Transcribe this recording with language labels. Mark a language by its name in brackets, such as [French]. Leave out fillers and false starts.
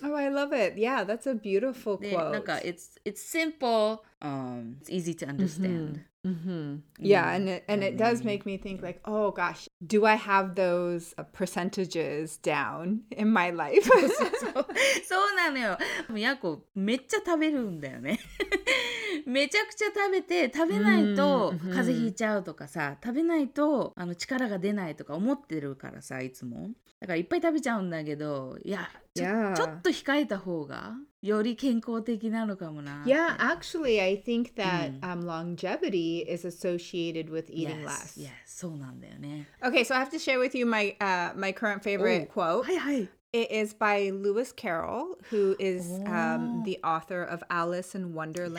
[English] Oh, I love it. Yeah, that's a beautiful quote. なんか it's simple, it's easy to understand. Yeah, and it does make me think like, oh gosh, do I have those percentages down in my life? [Japanese] そうなのよ。ヤコめっちゃ食べるんだよね。めちゃくちゃ食べて、食べないと風邪ひいちゃうとかさ、食べないと力が出ないとか思ってるからさ、いつも。だからいっぱい食べちゃうんだけど、いや、ちょっと控えた方がより健康的なのかもな。 [English] Yeah, actually, I think that longevity is associated with eating less. [Japanese] Yes, そうなんだよね。 [English] Okay, so I have to share with you my current favorite quote. [Japanese] はいはい。 [English] It is by Lewis Carroll, who is the author of Alice in Wonderland.